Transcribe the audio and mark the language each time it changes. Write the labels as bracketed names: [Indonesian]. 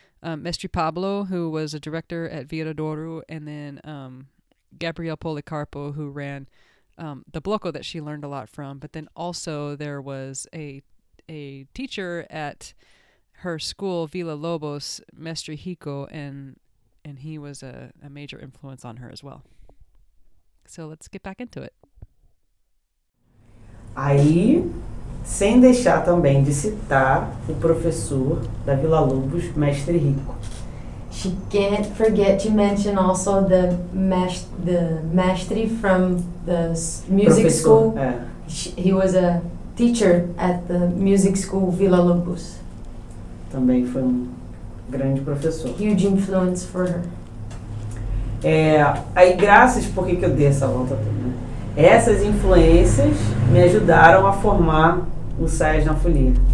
[English] Mestre Pablo, who was a director at Viradouro, and then Gabriel Policarpo, who ran the Bloco that she learned a lot from. But then also there was a teacher at her school, Vila Lobos, Mestre Rico, and he was a major influence on her as well. So let's get back into it. [Portuguese] Aí, sem deixar também de citar o professor da Vila Lobos, Mestre Rico. [English] She can't forget to mention also the mestre from the music professor, school. He was a teacher at the music school Vila Lobos. [Portuguese] Também foi um grande professor. [English] Huge influence for her. [Portuguese] Aí graças, por que eu dei essa volta toda? Essas influências me ajudaram a formar o Saias na Folia.